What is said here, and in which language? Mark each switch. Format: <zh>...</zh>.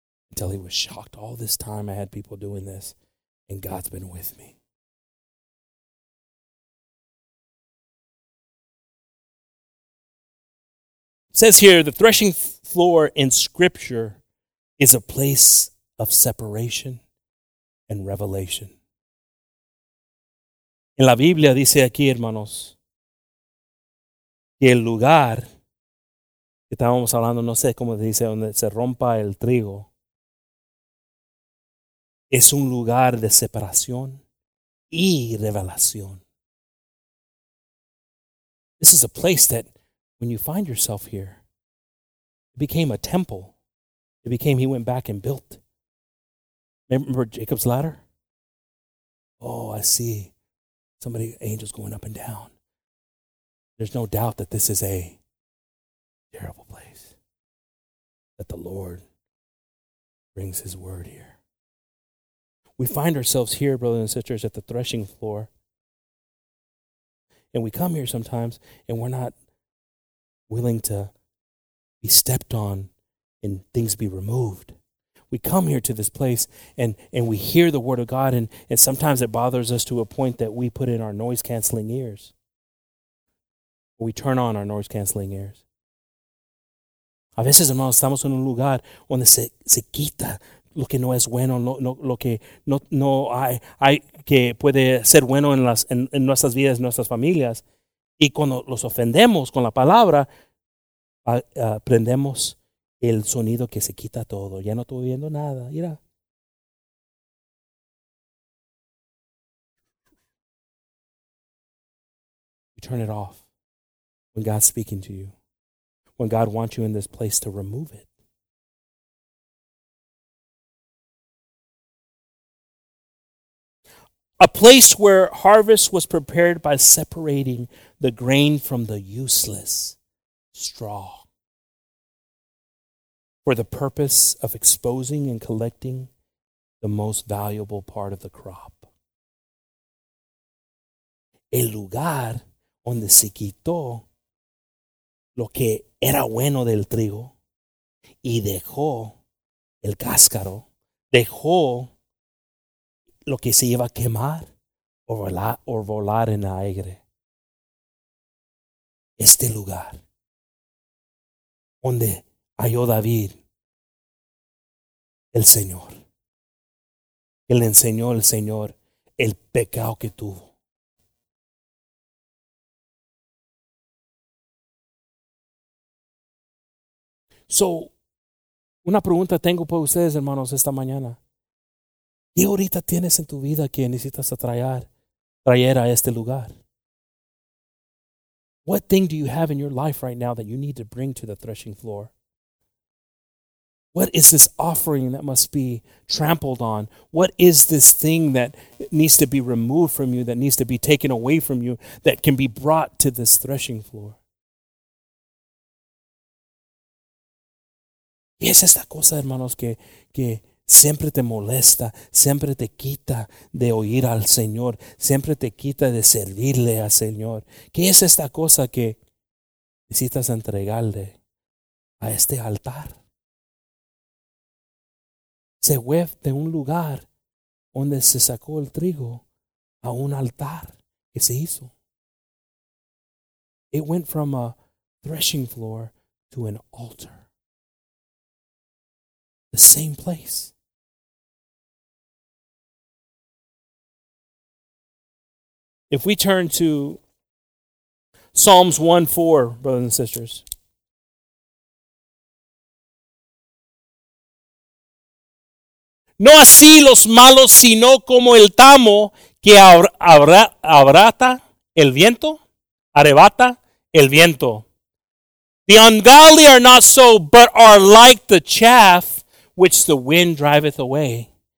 <en>Until he was shocked. All this time I had people doing this, and God's been with me. It says here, the threshing floor in Scripture is a place of separation and revelation.</en> <es>En la Biblia dice aquí, hermanos, que el lugar que estábamos hablando, no sé cómo dice, donde se rompa el trigo, es un lugar de separación y revelación.</es> <en>This is a place that when you find yourself here, it became a temple. It became, he went back and built. Remember Jacob's ladder? Oh, I see. Somebody, angels going up and down. There's no doubt that this is a terrible place. That the Lord brings his word here. We find ourselves here, brothers and sisters, at the threshing floor. And we come here sometimes, and we're not willing to be stepped on and things be removed. We come here to this place and we hear the word of God, and sometimes it bothers us to a point that we put in our noise-canceling ears. We turn on our noise-canceling ears.</en> <es>A veces, hermanos, estamos en un lugar donde se quita lo que no es bueno, lo que no hay que puede ser bueno en nuestras vidas, en nuestras familias. Y cuando los ofendemos con la palabra, aprendemos el sonido que se quita todo. Ya no estoy viendo nada. Mira.</es> <en>You turn it off when God's speaking to you. When God wants you in this place to remove it. A place where harvest was prepared by separating the grain from the useless straw. For the purpose of exposing and collecting the most valuable part of the crop.</en> <es>El lugar donde se quitó lo que era bueno del trigo y dejó el cáscaro, dejó lo que se iba a quemar o volar en el aire. Este lugar donde halló David el Señor. Él enseñó al Señor el pecado que tuvo. So, una pregunta tengo para ustedes, hermanos, esta mañana. ¿Qué ahorita tienes en tu vida que necesitas traer a este lugar?</es> <en>What thing do you have in your life right now that you need to bring to the threshing floor? What is this offering that must be trampled on? What is this thing that needs to be removed from you, that needs to be taken away from you, that can be brought to this threshing floor?</en> <es>Y es esta cosa, hermanos, que siempre te molesta, siempre te quita de oír al Señor, siempre te quita de servirle al Señor. ¿Qué es esta cosa que necesitas entregarle a este altar? Se fue de un lugar donde se sacó el trigo a un altar que se hizo.</es> <en>It went from a threshing floor to an altar. The same place. If we turn to Psalms 1:4, brothers and sisters.</en> <es>No así los malos, sino como el tamo que arrebata el viento. Arrebata el viento.</es> <en>The ungodly are not so, but are like the chaff which the wind driveth away.</en>